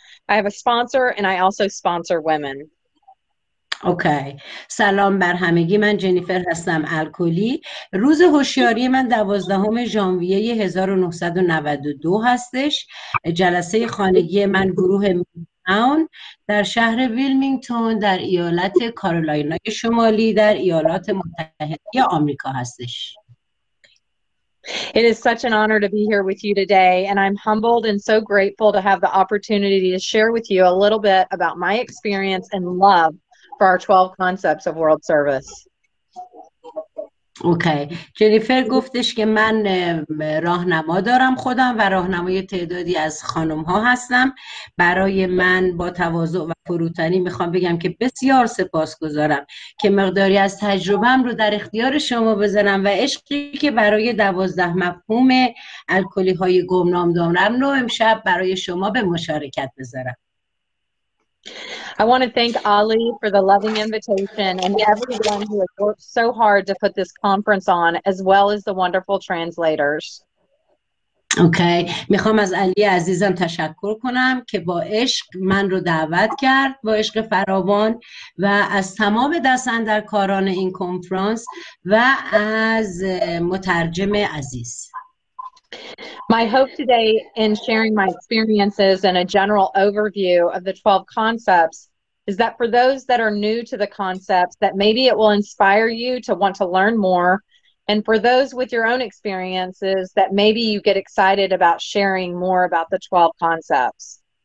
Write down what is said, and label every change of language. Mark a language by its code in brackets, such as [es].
[en] I have a sponsor, and I also sponsor women. [fa] اوکی سلام بر همگی، من جنیفر هستم، الکلی. روز هوشیاری من 12 ژانویه 1992 هستش. جلسه خانگی من گروه میتاون در شهر ویلمینگتون در ایالت کارولاینای شمالی در ایالات متحده آمریکا هستش. [en] It is such an honor to be here with you today, and I'm humbled and so grateful to have the opportunity to share with you a little bit about my experience and love for our 12 concepts of world service. [fa] اوکی جنیفر گفتش که من راهنما دارم خودم و راهنمای تعدادی از خانم ها هستم. برای من با تواضع و فروتنی میخوام بگم که بسیار سپاسگزارم که مقداری از تجربه‌ام رو در اختیار شما بذارم و عشقی که برای 12 مفهوم الکلی های گمنام دارم رو امشب برای شما به مشارکت بذارم. [en] I want to thank Ali for the loving invitation and everyone who has worked so hard to put this conference on, as well as the wonderful translators. [fa] اوکی میخوام از علی عزیزم تشکر کنم که با عشق من رو دعوت کرد، با عشق فراوان، و از تمام دست اندرکاران این کنفرانس و از مترجم عزیز. [en] My hope today in sharing my experiences and a general overview of the 12 concepts is that for those that are new to the concepts, that maybe it will inspire you to want to learn more. And for those with your own experiences, that maybe you get excited about sharing more about the 12 concepts.